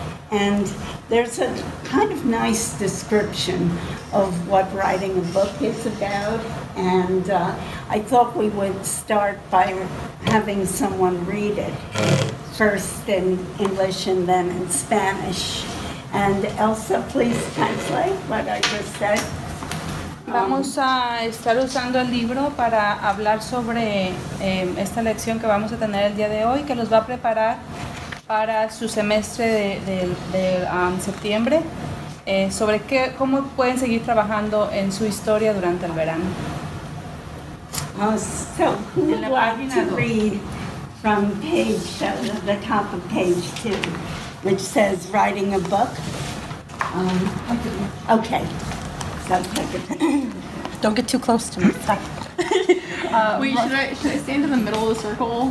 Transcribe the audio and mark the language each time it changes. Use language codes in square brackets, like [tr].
[en] And there's a kind of nice description of what writing a book is about, and I thought we would start by having someone read it, first in English and then in Spanish. And Elsa, please translate what I just said. [es] Vamos a estar usando el libro para hablar sobre esta lección que vamos a tener el día de hoy, que los va a preparar para su semestre de septiembre, sobre cómo pueden seguir trabajando en su historia durante el verano. [en] So, who would like to read from page, the top of page 2, which says writing a book? Okay. Don't get too close to me. Wait, should I stand in the middle of the circle?